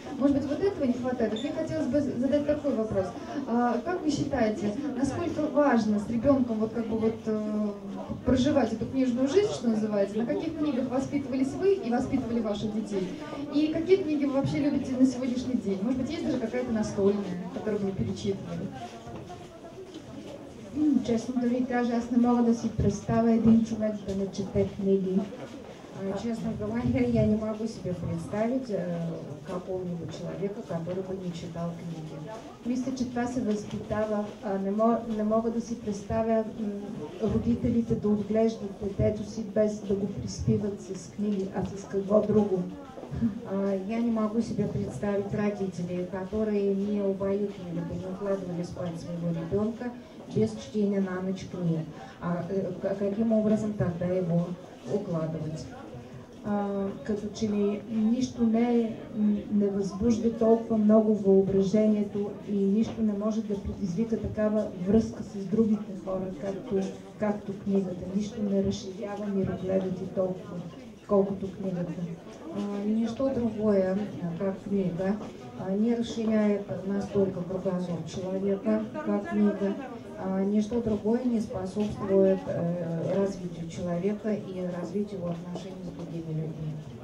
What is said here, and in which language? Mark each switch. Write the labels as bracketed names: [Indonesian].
[Russian] Может быть, вот этого не хватает? Мне хотелось бы задать такой вопрос. Как вы считаете, насколько важно с ребенком вот как бы вот проживать эту книжную жизнь, что называется? На каких книгах воспитывались вы и воспитывали ваших детей? И какие книги вы вообще любите на сегодняшний день? Может быть, есть даже какая-то настольная, которую вы перечитывали? [Bulgarian] Честно дори даже аз не мога да си представя един човек да не чете книги. [Russian] Честно говоря, я не могу себе представить какого-либо человека, который бы не читал книги. [Bulgarian] Мисля, че това се възпитава. Не мога да си представя родителите да отглеждат детето си без да го приспиват с книги, а с какво друго. [Russian] Я не могу себе представить родителей, которые не убаюкивали бы, не укладывали спать своего ребенка без чтения на ночь книг. Каким образом тогда его укладывать? [Bulgarian] Като че ли нищо не възбужда толкова много въображението и нищо не може да предизвика такава връзка с другите хора, както книгата. Нищо не разширява мирогледът и толкова, колкото книгата. [Russian] Нищо другое, как книга, не разширяет настолько кругозор человека, как книга. Ничто другое не способствует развитию человека и развитию отношений с другими людьми.